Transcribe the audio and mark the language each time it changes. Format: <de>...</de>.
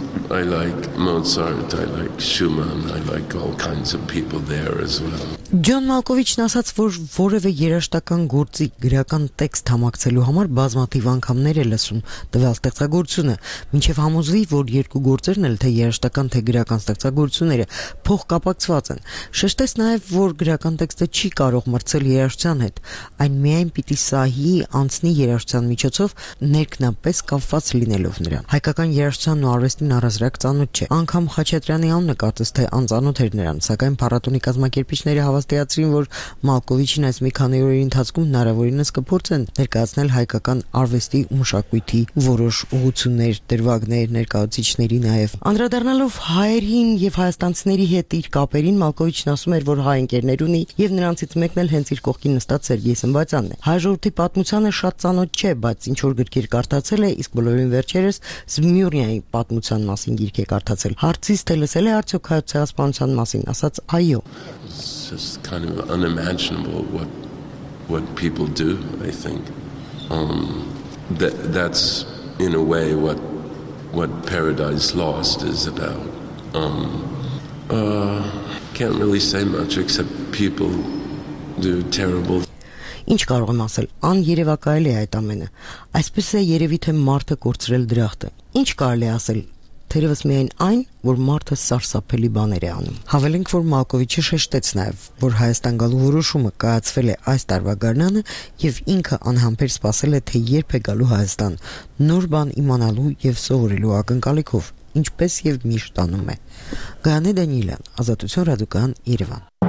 <en>I like Mozart, I like Schumann, I like all kinds of people there as well.</en> <hy>Ջոն Մալկովիչն ասաց, որ որևէ երաժշտական գործի գրական տեքստ համակցելու համար բազմաթիվ անգամներ է լսում տվյալ ստեղծագործությունը, մինչև համոզվի, որ երկու գործերն էլ թե երաժշտական, թե գրական ստեղծագործությունները փոխկապակցված են։ Շեշտեց նաև, որ գրական տեքստը չի կարող մրցել երաժշտության հետ, այն միայն պիտի սահի, անցնի երաժշտության միջոցով, ներքնապես կապված լինելով նրան։ Հայկական երաժշտության ու արվեստին առազրակ ծանոթ չէ, անգամ Խաչատրյանի անունը կարծես թե անծանոթ էր նրան, սակայն փառատոնի կազմակերպիչները հավաստիացրին, որ Մալկովիչին այս մի քանի օրերի ընթացքում հնարավորինս կփորձեն ներկայացնել հայկական արվեստի ու մշակույթի որոշ ուղղություններ, դրվագներ, ներկայացուցիչների նաև։ Անդրադառնալով հայերին և հայաստանցիների հետ իր կապերին, Մալկովիչն ասում էր, որ հայ ընկերներ ունի և նրանցից մեկն էլ հենց իր կողքին նստած Սերգեյ Սմբատյանն է։ Հայ ժողովրդի պատմությանը շատ ծանոթ չէ, բայց ինչ որ գրքեր կարդացել է, իսկ բոլորին վերջերս Զմյուռնիայի պատմության մասին գիրք է կարդացել։ Հարցիս թե լսել է արդյոք հայոց ցեղասպանության մասին, ասաց «Այո»։</hy> <en>It's just kind of unimaginable what people do, I think. That's in a way what Paradise Lost is about. Can't really say much except people do terrible.</en> <hy>Ինչ կարող եմ ասել, ան երևակայել է այդ ամենը, այսպես է երևի թե մարդը կործրել դրախտը, ինչ կարել է ասել, թերևս միայն այն, որ մարդը սարսափելի բաներ է անում։ Հավելենք, որ Մալկովիչը շեշտեց նաև, որ Հայաստան գալու որոշումը կայացվել է այս տարվա գարնանը և ինքը անհամբեր սպասել է, թե երբ է գալու Հայաստան, նոր բան իմանալու և սովորելու ակնկալիքով, ինչպես և միշտ անում է։ Գանե Դանիլյան, Ազատություն Ռադուկան, Երևան։</hy>